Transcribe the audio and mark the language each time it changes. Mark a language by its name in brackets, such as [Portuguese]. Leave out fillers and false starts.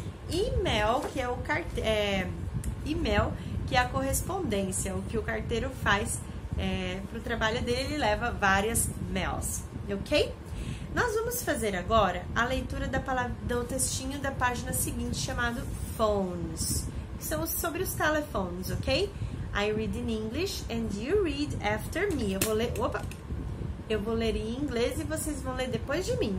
[Portuguese] E-mail, que é o e-mail, que é a correspondência, o que o carteiro faz para o trabalho dele, ele leva várias mails, ok? Nós vamos fazer agora a leitura da palavra, do textinho da página seguinte, chamado phones, que são sobre os telefones, ok? [English] I read in English and you read after me. [Portuguese] Eu vou ler, opa, eu vou ler em inglês e vocês vão ler depois de mim.